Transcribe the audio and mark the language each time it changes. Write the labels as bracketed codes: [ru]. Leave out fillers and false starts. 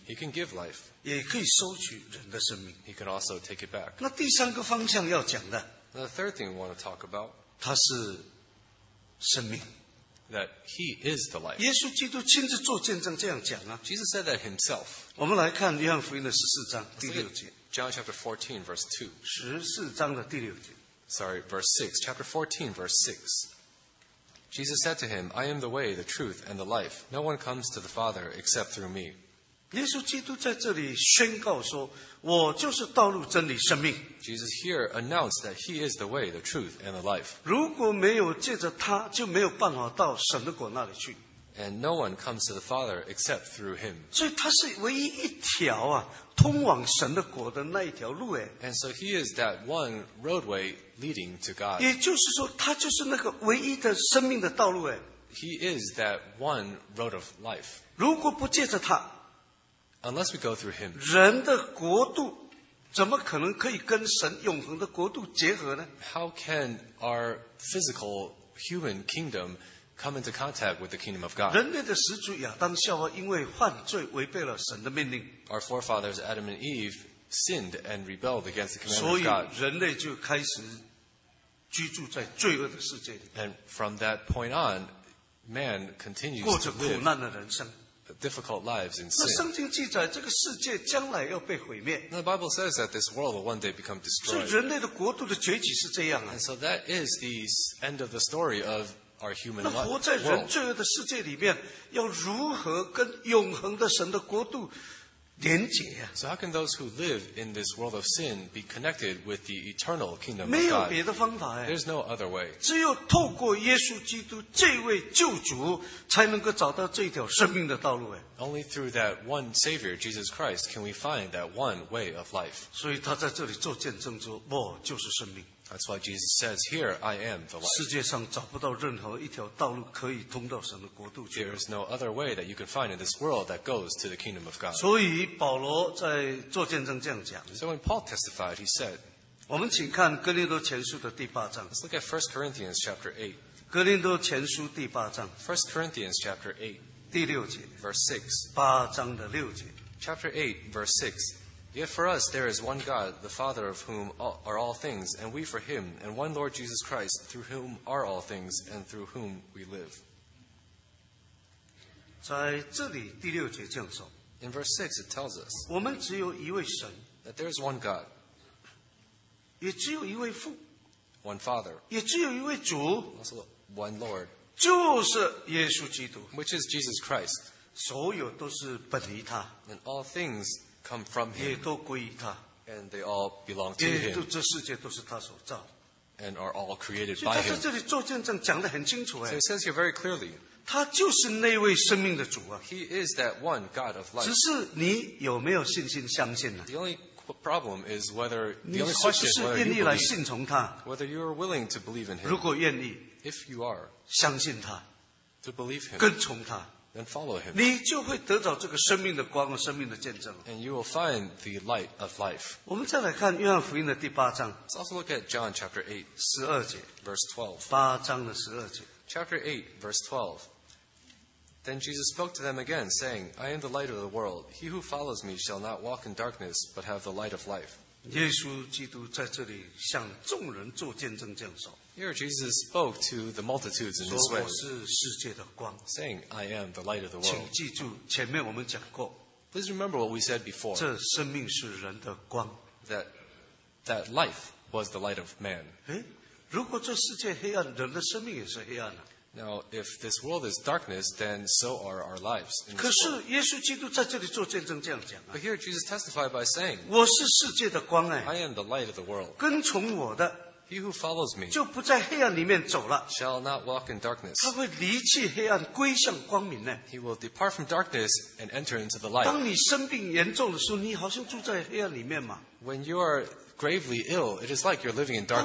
[en] He can give life. [zh] 也可以收取人的生命。 [en] He can also take it back. [zh] 那第三个方向要讲的。 [en] The third thing we want to talk about. [zh] 他是生命。 [en] That he is the life. [zh] 耶稣基督亲自做见证这样讲啊。 [en] Jesus said that himself. [zh] 我们来看约翰福音的十四章第六节。 [en] John chapter 14 verse 2. [zh] 十四章的第六节。 [en] Sorry, verse 6. Chapter 14, verse 6. Jesus said to him, I am the way, the truth, and the life. No one comes to the Father except through me. [zh] 耶稣基督在这里宣告说，我就是道路、真理、生命。 [en] Jesus here announced that he is the way, the truth, and the life. [zh] 如果没有借着他，就没有办法到神的国那里去。 [en] And no one comes to the Father except through him. [zh] 所以他是唯一一条啊，通往神的国的那一条路哎。 [en] And so he is that one roadway leading to God. [zh] 也就是说，他就是那个唯一的生命的道路哎。 [en] He is that one road of life. [zh] 如果不借着他 [en] ，unless we go through him， [zh] 人的国度怎么可能可以跟神永恒的国度结合呢 [en] ？How can our physical human kingdom come into contact with the kingdom of God？ [zh] 人类的始祖亚当夏娃因为犯罪违背了神的命令。 [en] Our forefathers Adam and Eve sinned and rebelled against the command of God. [zh] 所以人类就开始居住在罪恶的世界里。 [en] And from that point on。 Man continues to live [zh] 过着苦难的人生 [en] difficult lives in [zh] sin. 那圣经记载，这个世界将来要被毁灭。 [en] The Bible says that this world will one day become destroyed. [zh] 所以人类的国度的崛起是这样啊。 [en] And so that is the end of the story of our human world. [zh] 那活在人罪恶的世界里面，要如何跟永恒的神的国度连结啊 [en] ？So how can those who live in this world of sin be connected with the eternal kingdom of God? [zh] 没有别的方法哎。 [en] There's no other way. [zh] 只有透过耶稣基督这位救主，才能够找到这条生命的道路哎。 [en] Only through that one Savior, Jesus Christ, can we find that one way of life. [zh] 所以他在这里做见证说，我就是生命。 [en] That's why Jesus says, "Here I am the life." [zh] 世界上找不到任何一条道路可以通到神的国度去。 [en] There is no other way that you can find in this world that goes to the kingdom of God. [zh] 所以保罗在做见证这样讲。 [en] So when Paul testified, he said, [zh] 我们请看哥林多前书的第八章。 [en] Let's look at 1 Corinthians chapter 8. [zh] 哥林多前书第八章。 [en] 1 Corinthians chapter 8. [zh] 第六节。 [en] Verse 6. [zh] 八章的六节。 [en] Chapter 8, verse 6. Yet for us there is one God, the Father of whom are all things, and we for him, and one Lord Jesus Christ, through whom are all things, and through whom we live. [zh] 在这里第六节这样说。 [en] In verse 6 it tells us [zh] 我们只有一位神 [en] that there is one God, [zh] 也只有一位父 [en] one Father, [zh] 也只有一位主 [en] also one Lord, [zh] 就是耶稣基督 [en] which is Jesus Christ, [zh] 所有都是本于他 [en] and all things,Come from him, [zh] 也都归于他 [en] and they all belong to him, [zh] 也都这世界都是他所造 [en] and are all created by him. [zh] 所以他在这里做见证讲得很清楚 [en] So it says here very clearly, [zh] 他就是那位生命的主啊 [en] He is that one God of life. [zh] 只是你有没有信心相信呢 [en] The only problem is whether the only question is whether you believe, whether you are willing to believe in him. [zh] 如果愿意 [en] if you are, [zh] 相信他 [en] to believe him, [zh] 跟从他 [en] And follow him. [zh] 你就会得到这个生命的光和生命的见证。 [en] And you will find the light of life. [zh] 我们再来看约翰福音的第八章。 [en] Let's also look at John chapter 8, [zh] 十二节 [en] verse 12. [zh] 八章的十二节。 [en] Chapter 8, verse 12. Then Jesus spoke to them again, saying, I am the light of the world. He who follows me shall not walk in darkness, but have the light of life. [zh] 耶稣基督在这里向众人做见证这样说。 [en] Here Jesus spoke to the multitudes in this way, [zh] 我是世界的光 [en] saying, I am the light of the world. [zh] 请记住前面我们讲过 [en] Please remember what we said before. [zh] 这生命是人的光 [en] that life was the light of man. [zh] 如果这世界黑暗人的生命也是黑暗、啊、 [en] Now, if this world is darkness, then so are our lives. [zh] 可是耶稣基督在这里做见证这样讲、啊、 [en] But here Jesus testified by saying, [zh] 我是世界的光、哎、 [en] I am the light of the world. [zh] 跟从我的 [en] He who follows me [zh] 就不在黑暗里面走了 [en] shall not walk in darkness. [zh] 他会离弃黑暗归向光明呢 [en] He will depart from darkness and enter into the light. [zh] 当你生病严重的时候你好像住在黑暗里面嘛 [en] When you are gravely ill, it is like you're living in darkness.